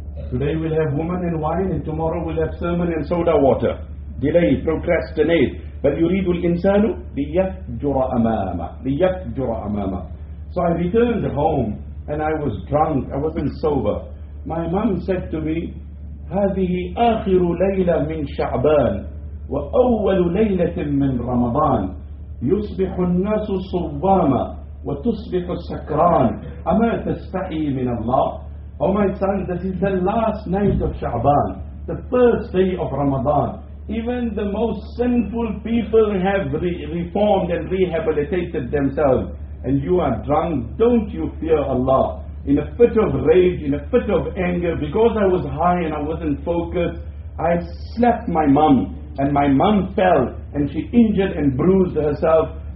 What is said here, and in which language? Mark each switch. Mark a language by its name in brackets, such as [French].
[English] Today we'll have woman and wine, and tomorrow we'll have sermon and soda water. Delay, procrastinate. But [Arabic] yuridu al-insanu liyafjura amama. [English] So I returned home and I was drunk, I wasn't sober. My mom said to me, [Arabic] هذه آخر ليلة من شعبان وأول ليلة من رمضان يصبح الناس صواما وتصبح السكران أما تستحي من الله. [English] Oh my son, this is the last night of Sha'ban, the first day of Ramadan. Even the most sinful people have reformed and rehabilitated themselves, and you are drunk. Don't you fear Allah? In a fit of rage, in a fit of anger, because I was high and I wasn't focused, I slapped my mum, and my mum fell, and she injured and bruised herself.